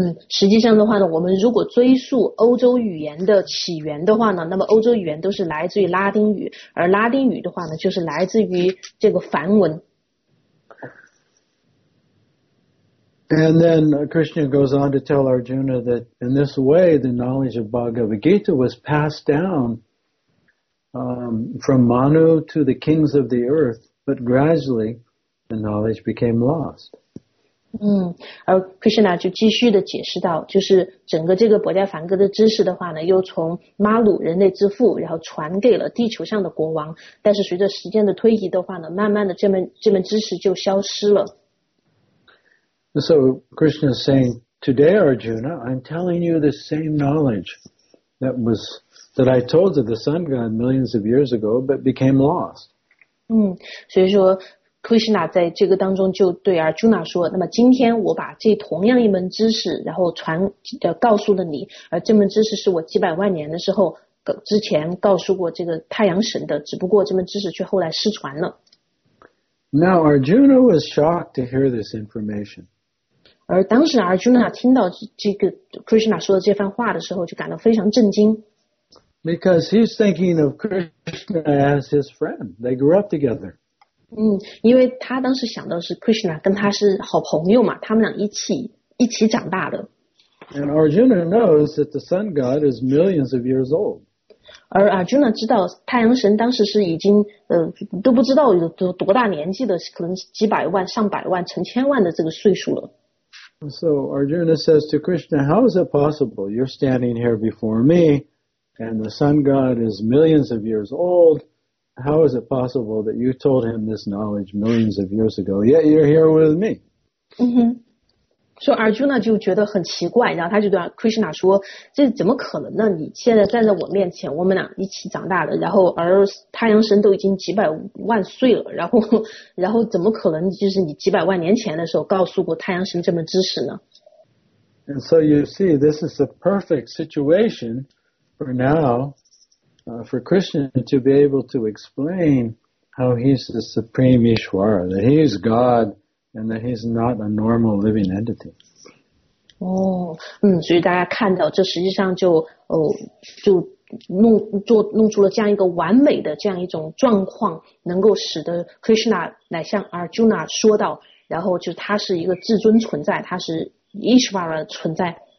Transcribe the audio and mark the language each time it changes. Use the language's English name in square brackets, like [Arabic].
[Chinese] 实际上的话呢，我们如果追溯欧洲语言的起源的话呢，那么欧洲语言都是来自于拉丁语，而拉丁语的话呢，就是来自于这个梵文。 [English] And then Krishna goes on to tell Arjuna that in this way, the knowledge of Bhagavad Gita was passed down from Manu to the kings of the earth, but gradually the knowledge became lost. [Chinese] 而 Krishna 就继续的解释到，就是整个这个薄伽梵歌的知识的话呢，又从 Malu 人类之父，然后传给了地球上的国王，但是随着时间的推移的话呢，慢慢的这门知识就消失了。 [English] So Krishna is saying, today Arjuna, I'm telling you the same knowledge that I told to the sun god millions of years ago, but became lost. [Chinese] 所以说 Krishna 在这个当中就对 Arjuna 说，那么今天我把这同样一门知识然后告诉了你，而这门知识是我几百万年的时候之前告诉过这个太阳神的，只不过这门知识却后来失传了。 [English] Now Arjuna was shocked to hear this information. [Chinese] 而当时 Arjuna 听到这个 Krishna 说的这番话的时候就感到非常震惊。 [English] Because he's thinking of Krishna as his friend. They grew up together. [Chinese] 因为他当时想到是 Krishna 跟他是好朋友嘛，他们俩一起长大的。 [English] And Arjuna knows that the sun god is millions of years old. [Chinese] 而 Arjuna 知道太阳神当时是已经都不知道有多大年纪的，可能几百万、上百万、成千万的这个岁数了。 [English] So Arjuna says to Krishna, "How is it possible you're standing here before me?" And the sun god is millions of years old. How is it possible that you told him this knowledge millions of years ago, yet you're here with me? [Chinese] So Arjuna 就觉得很奇怪，然后他就对 Krishna 说，这怎么可能呢？你现在站在我面前，我们俩一起长大的，然后而太阳神都已经几百万岁了，然后怎么可能就是你几百万年前的时候告诉过太阳神这门知识呢？ [English] And so you see, this is a perfect situation. For now, for Krishna to be able to explain how he's the supreme Ishwara, that he's God and that he's not a normal living entity. [Chinese] 所以大家看到这实际上弄出了这样一个完美的这样一种状况，能够使得 Krishna 来向 Arjuna 说到，然后就他是一个至尊存在，他是 Ishwara 存在。